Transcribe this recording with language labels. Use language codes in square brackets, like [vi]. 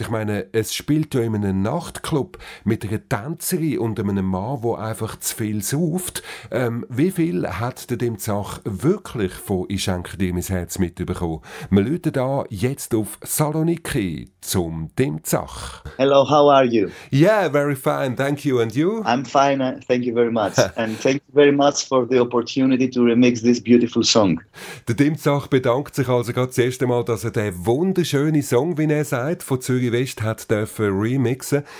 [de] Ich meine, es spielt ja in einem Nachtclub mit einer Tänzerin und einem Mann, der einfach zu viel sauft. Wie viel hat der Tim Zach wirklich von «Ich schenke dir mein Herz» mitbekommen? Wir rufen da jetzt auf Saloniki zum Tim Zach. [en] Hello, how are you? Yeah, very fine, thank you. And you? I'm fine, thank you very much. And thank you very much for the opportunity to remix this beautiful song. [de] Der Tim Zach bedankt sich also gerade das erste Mal, dass er den wunderschönen Song, wie er sagt, von Zürich West hat dürfen remixen.